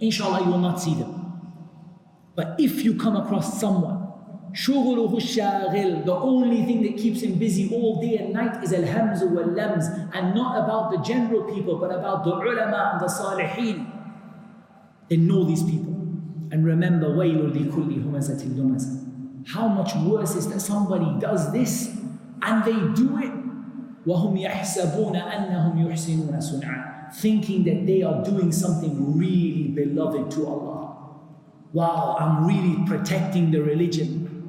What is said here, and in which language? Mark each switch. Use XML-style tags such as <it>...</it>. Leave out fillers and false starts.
<en>Inshallah, you will not see them. But if you come across someone,</en> <ar>شغله الشاغل,</ar> <en>the only thing that keeps him busy all day and night is</en> <ar>الهمز واللمز,</ar> <en>and not about the general people, but about the ulama and the salihin, then know these people. And remember,</en> <ar>وَيْلُ لِكُلِّ هُمَزَةٍ لُمَزَةٍ.</ar> <en>How much worse is that somebody does this, and they do it,</en> <ar>وَهُمْ يَحْسَبُونَ أَنَّهُمْ يُحْسِنُونَ سُنْعًا,</ar> <en>thinking that they are doing something really beloved to Allah. Wow, I'm really protecting the religion.</en>